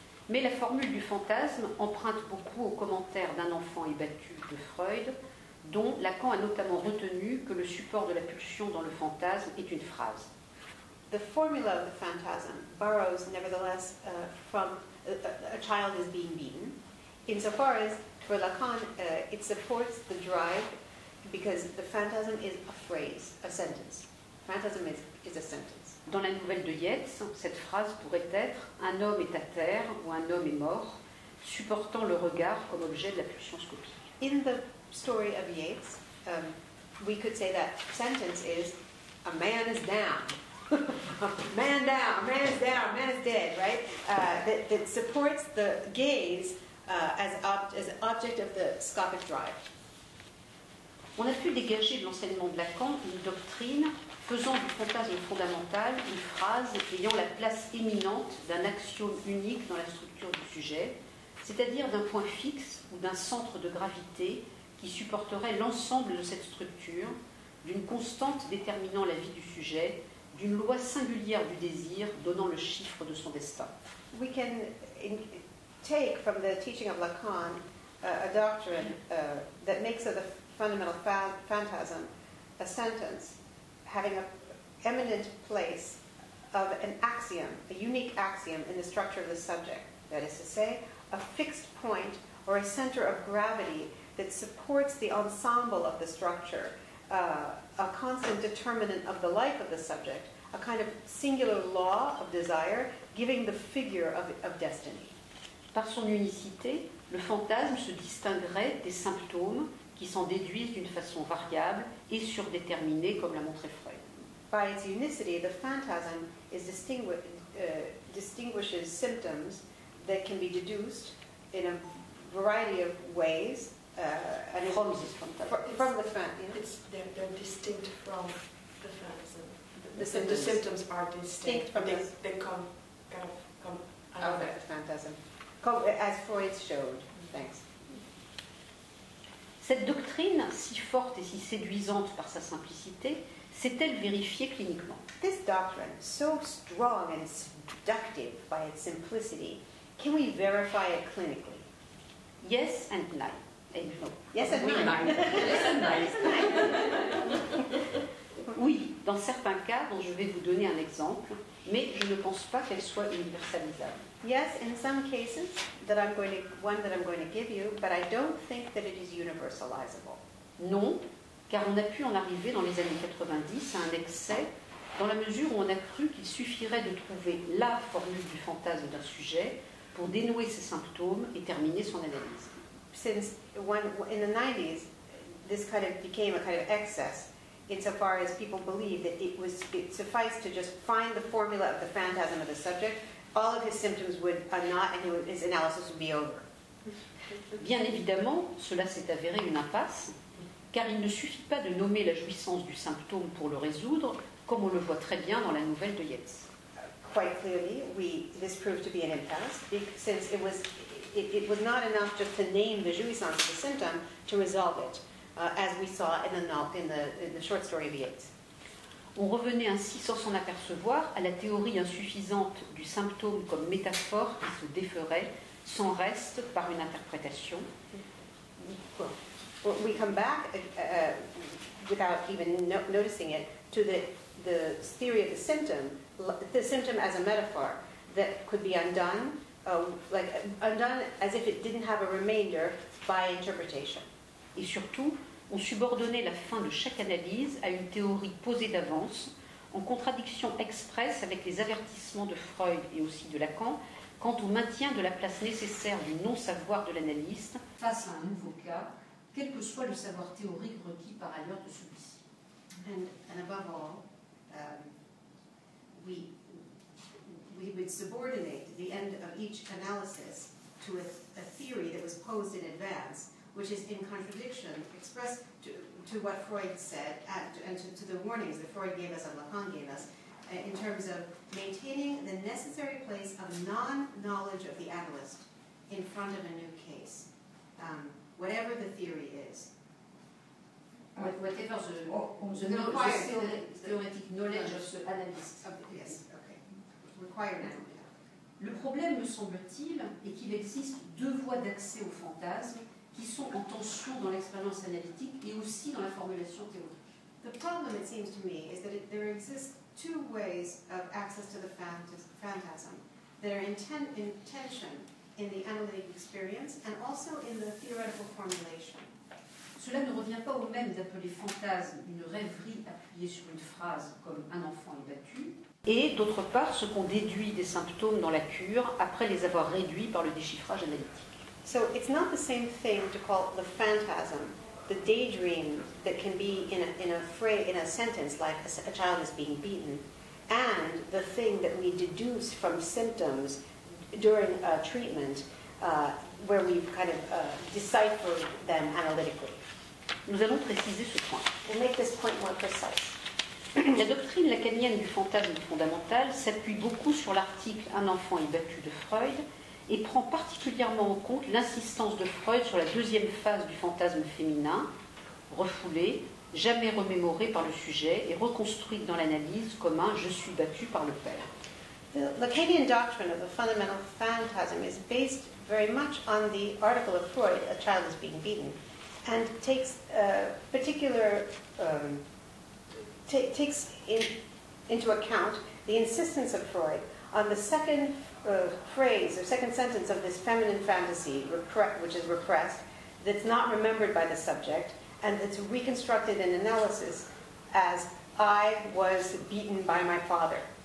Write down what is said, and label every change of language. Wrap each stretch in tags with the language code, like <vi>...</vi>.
<fr>Mais la formule du fantasme emprunte beaucoup aux commentaires d'un enfant ébattu de Freud, dont Lacan a notamment retenu que le support de la pulsion dans le fantasme est une phrase.</fr> <en>The formula of the phantasm borrows nevertheless from a child is being beaten, insofar as for Lacan it supports the drive, because the phantasm is a phrase, a sentence. Phantasm is a sentence.</en> <fr>Dans la nouvelle de Yeats, cette phrase pourrait être « un homme est à terre » ou « un homme est mort », supportant le regard comme objet de la pulsion scopique.</fr> <en>In the story of Yeats, we could say that sentence is « a man is down ». Man down, man is down, man is dead, right? That supports the gaze as object of the scopic drive.</en> <fr>On a pu dégager de l'enseignement de Lacan une doctrine faisant du fantasme fondamental une phrase ayant la place éminente d'un axiome unique dans la structure du sujet, c'est-à-dire d'un point fixe ou d'un centre de gravité qui supporterait l'ensemble de cette structure, d'une constante déterminant la vie du sujet, d'une loi singulière du désir donnant le chiffre de son destin.</fr> <en>We can take from the teaching of Lacan a doctrine that makes of the fundamental phantasm a sentence having an eminent place of an axiom, a unique axiom in the structure of the subject. That is to say, a fixed point or a center of gravity that supports the ensemble of the structure, a constant determinant of the life of the subject, a kind of singular law of desire, giving the figure of destiny.</en> <fr>Par son unicité, le fantasme se distinguerait des symptômes qui s'en déduisent d'une façon variable et surdéterminée, comme l'a montré Freud.</fr> <en>By its unicity, the phantasm is distinguishes symptoms that can be deduced in a variety of ways. They're distinct from the phantasm. The symptoms are distinct from they come kind of come out of the phantasm, as Freud showed. Mm-hmm. Thanks.</en> <fr>Cette doctrine, si forte et si séduisante par sa simplicité, s'est-elle vérifiée cliniquement?</fr> <en>This doctrine, so strong and seductive by its simplicity, can we verify it clinically? Yes and no. Yes and no. Yes and no.</en> <fr>Oui, dans certains cas, dont je vais vous donner un exemple, mais je ne pense pas qu'elle soit universalisable.</fr> <en>Yes, in some cases that I'm going to one that I'm going to give you, but I don't think that it is universalizable.</en> <fr>Non, car on a pu en arriver dans les années 90 à un excès, dans la mesure où on a cru qu'il suffirait de trouver la formule du fantasme d'un sujet pour dénouer ses symptômes et terminer son analyse.</fr> <en>Since in the 90s, this kind of became a kind of excess, insofar as people believed that it sufficed to just find the formula of the phantasm of the subject, all of his symptoms would not, and his analysis would be over.</en> <fr>Bien évidemment, cela s'est avéré une impasse, car il ne suffit pas de nommer la jouissance du symptôme pour le résoudre, comme on le voit très bien dans la nouvelle de Yeats.</fr> <en>Quite clearly, this proved to be an impasse, since it was not enough just to name the jouissance of the symptom to resolve it, as we saw in the short story of Yeats.</en> <fr>On revenait ainsi sans s'en apercevoir à la théorie insuffisante du symptôme comme métaphore qui se déferait sans reste par une interprétation.</fr> <en>Well, we come back without even noticing it to the theory of the symptom as a metaphor that could be undone, like undone as if it didn't have a remainder by interpretation.</en> <fr>Et surtout, on subordonnait la fin de chaque analyse à une théorie posée d'avance, en contradiction expresse avec les avertissements de Freud et aussi de Lacan quant au maintien de la place nécessaire du non-savoir de l'analyste face à un nouveau cas, quel que soit le savoir théorique requis par ailleurs de celui-ci.</fr> <en>And above all, we would subordinate the end of each analysis to a theory that was posed in advance, which is in contradiction, expressed to what Freud said, and to the warnings that Freud gave us and Lacan gave us, in terms of maintaining the necessary place of non-knowledge of the analyst in front of a new case, whatever the theory is. Whatever the theoretic knowledge of the analyst. Yes, okay. Required now.</en> <fr>Le problème, me semble-t-il, est qu'il existe deux voies d'accès au fantasme qui sont en tension dans l'expérience analytique et aussi dans la formulation théorique.</fr> <en>The problem, it seems to me, is that there exist two ways of access to the phantasm that are in tension in the analytic experience and also in the theoretical formulation.</en> <fr>Cela ne revient pas au même d'appeler fantasme une rêverie appuyée sur une phrase comme un enfant est battu. Et d'autre part, ce qu'on déduit des symptômes dans la cure après les avoir réduits par le déchiffrage analytique.</fr> <en>So it's not the same thing to call the phantasm, the daydream that can be in a sentence like a child is being beaten, and the thing that we deduce from symptoms during a treatment where we've kind of deciphered them analytically.</en> <fr>Nous allons préciser ce point.</fr> <en>We'll make this point more precise.</en> <fr>La doctrine lacanienne du fantasme fondamental s'appuie beaucoup sur l'article Un enfant est battu de Freud et prend particulièrement en compte l'insistance de Freud sur la deuxième phase du fantasme féminin, refoulée, jamais remémorée par le sujet et reconstruite dans l'analyse comme un je suis battu par le père.</fr> <en>The Lacanian doctrine of the fundamental phantasm is based very much on the article of Freud, A Child is Being Beaten, and takes particular takes into account the insistence of Freud on the second phrase or second sentence of this feminine fantasy, which is repressed, that's not remembered by the subject, and that's reconstructed in analysis as I was beaten by my father.</en>